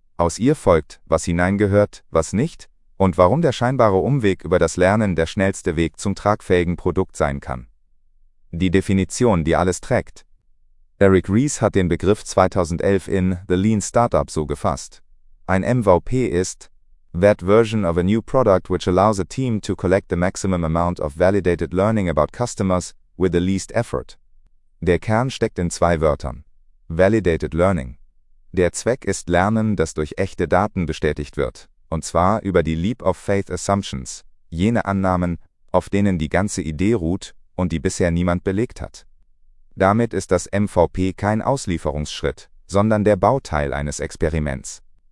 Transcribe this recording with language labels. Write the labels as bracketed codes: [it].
[de] Aus ihr folgt, was hineingehört, was nicht und warum der scheinbare Umweg über das Lernen der schnellste Weg zum tragfähigen Produkt sein kann. Die Definition, die alles trägt. Eric Ries hat den Begriff 2011 in The Lean Startup so gefasst. Ein MVP ist [en] that version of a new product which allows a team to collect the maximum amount of validated learning about customers with the least effort. [de] Der Kern steckt in zwei Wörtern. Validated Learning. Der Zweck ist Lernen, das durch echte Daten bestätigt wird, und zwar über die Leap of Faith Assumptions, jene Annahmen, auf denen die ganze Idee ruht und die bisher niemand belegt hat. Damit ist das MVP kein Auslieferungsschritt, sondern der Bauteil eines Experiments.